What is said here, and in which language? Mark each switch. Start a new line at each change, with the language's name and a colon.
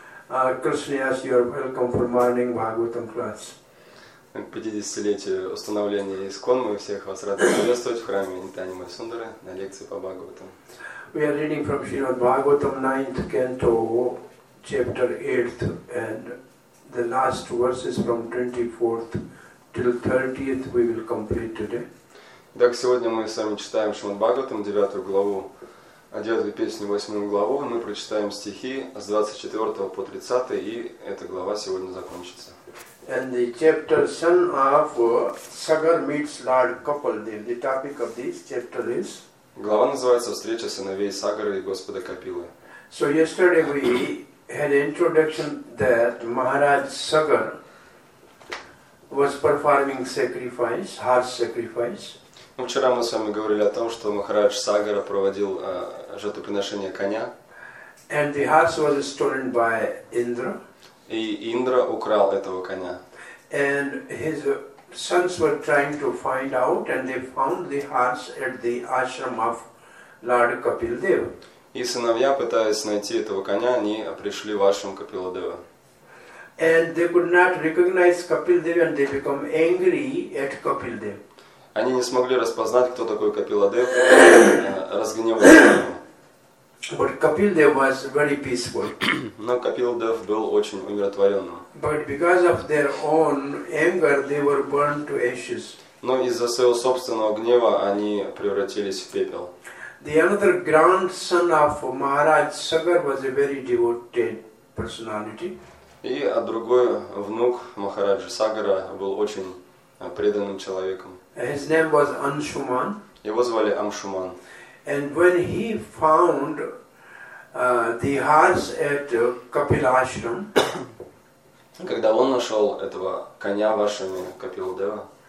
English: Krishnas, you are welcome for morning Bhagavatam class.
Russian: 50-летию установления ИСКОН, мы всех вас рады приветствовать в храме Нитянимы Сундары на лекции по Бхагаватам.
English: We are reading from Srimad Bhagavatam, 9th canto, chapter 8th, and the last verses from 24th till 30th we will complete today.
Russian: Итак, сегодня мы с вами читаем Шримад Бхагаватам, 9 главу, а 9 песню, 8 главу, мы прочитаем стихи с 24 по 30, и эта глава сегодня закончится.
English: And the chapter son of Sagar meets Lord Kapildev. The topic of this chapter is.
Russian: Глава называется «Встреча сыновей Сагара и Господа Капилы».
English: So yesterday we had introduction that Maharaj Sagar was performing sacrifice, horse sacrifice.
Russian: Ну, вчера мы с вами говорили о том, что Махарадж Сагара проводил жертвоприношение коня.
English: And the horse was stolen by Indra.
Russian: И Индра украл этого коня.
English: And his sons were trying to find out, and they found the horse at the ashram of Lord Kapildev.
Russian: И сыновья, пытаясь найти этого коня, они пришли в ашрам Капиладева.
English: And they could not recognize Kapildev, and they become angry at Kapildev.
Russian: Они не смогли распознать, кто такой Капиладев, разгневались.
English: But Kapildev was very peaceful.
Russian: Но Капиладев был очень умиротворенным.
English: But because of their own anger, they were burned to ashes.
Russian: Но из-за своего собственного гнева они превратились в пепел.
English: The another grandson of Maharaj Sagar was a very devoted personality.
Russian: И а другой внук Махараджи Сагара был очень преданным человеком.
English: His name was Anshuman.
Russian: Его звали Амшуман.
English: And when he found the horse at Kapilashram,
Russian: когда он нашел этого коня вашими Капиладева,